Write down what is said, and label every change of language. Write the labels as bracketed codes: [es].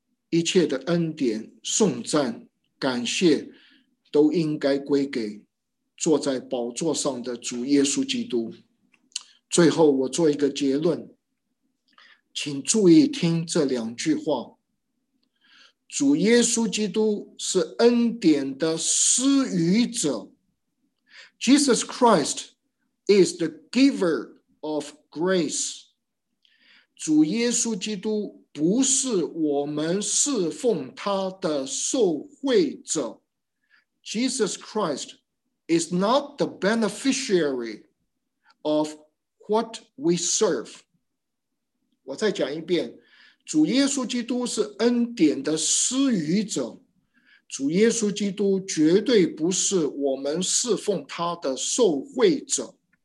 [zh] 一切的恩典、颂赞、感谢，都应该归给坐在宝座上的主耶稣基督。最后，我做一个结论，请注意听这两句话：主耶稣基督是恩典的施予者。 [en] Jesus Christ is the giver of grace. [zh] 主耶稣基督不是我们侍奉他的受惠者。 [en] Jesus Christ is not the beneficiary of what we serve. [zh] 我再讲一遍，主耶稣基督是恩典的施予者。主耶稣基督绝对不是我们侍奉他的受惠者。